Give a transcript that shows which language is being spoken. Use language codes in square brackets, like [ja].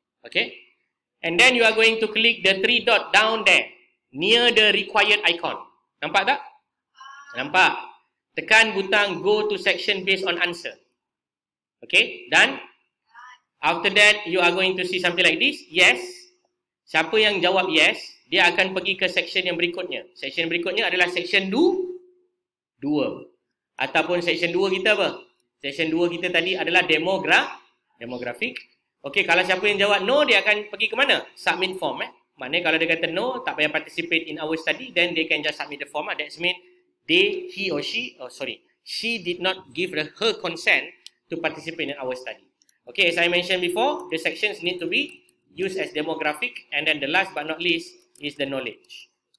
[en] Okay, and then you are going to click the three dot down there. Near the required icon. [ms] Nampak tak? Nampak. Tekan butang [en] go to section based on answer. Okay, done. After that, you are going to see something like this. Yes. [ms] Siapa yang jawab yes, dia akan pergi ke section yang berikutnya. Section berikutnya adalah section 2. Ataupun section 2 kita apa? Section 2 kita tadi adalah demographic. Okay, kalau siapa yang jawab no, dia akan pergi ke mana? [en] Submit form. Eh? [ms] Maknanya kalau dia kata no, tak payah [en] participate in our study, then they can just submit the form. Eh? That's mean she did not give her consent to participate in our study. Okay, as I mentioned before, the sections need to be used as demographic, and then the last but not least is the knowledge.